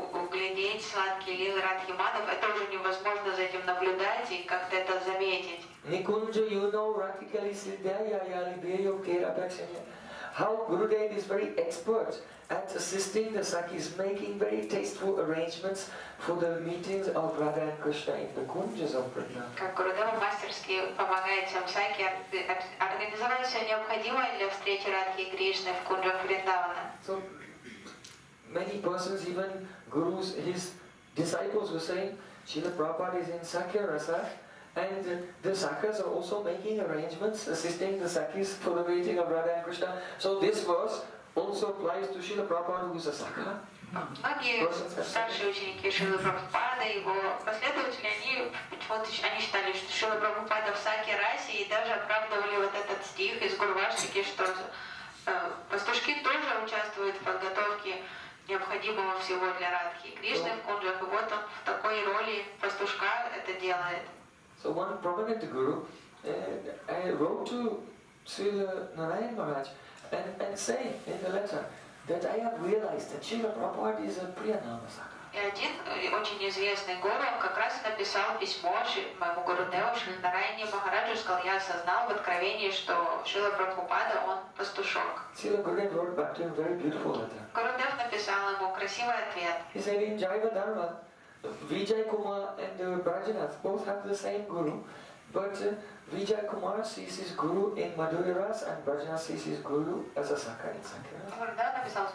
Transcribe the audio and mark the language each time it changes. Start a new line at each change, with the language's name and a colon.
Russian: Глядеть сладкие лилы Радхи Мадхав, это уже невозможно за этим наблюдать и как-то это заметить.
Sanskrit: Никунджа юно радхикали сиддхая я либею керапакшанья.
English: How Gurudev is very expert at assisting the Sakis, making very tasteful arrangements for the meetings of Radha and Krishna in the Kunjas of Vrindavan.
Russian: Как Гурудев мастерски помогает всем Саки организовать все необходимое для встречи Радхи и Кришны в Кунджах Вриндавана.
English: Many persons, even gurus, his disciples were saying, Srila Prabhupada is in Sakya Rasa, and the Sakas are also making arrangements, assisting the Sakis for the meeting of Radha and Krishna. So this verse also applies to Srila Prabhupada, who is a Sakha.
Russian: Многие старшие ученики Шрилы Прабхупады, его последователи, они считали, что Шрила Прабхупада в Сакья Расе, и даже оправдывали вот этот стих из Гурваштики, что пастушки тоже участвуют в подготовке необходимого всего для Радхи и Кришны в Кунджах, и вот он в такой роли пастушка это делает.
English: So one prominent guru wrote to Srila Narayan Maharaj and say in the letter that I have realized that Srila Prabhupada is a Priyanamasaka.
Russian: И один очень известный гуру как раз написал письмо моему гуру Деву Шри Нарайане Махараджу, сказал, я осознал в откровении, что Шрила Прабхупада, он пастушок.
English: Шрила Гурудев wrote back to him very beautiful letter.
Russian: Гурудев написал ему красивый ответ.
English: He said, in Jaiva Dharma, Vijay Kumar and Brajanath both have the same guru, but Vijay Kumar sees his guru in Madhurya Ras and Brajanath sees his guru as a Sakha in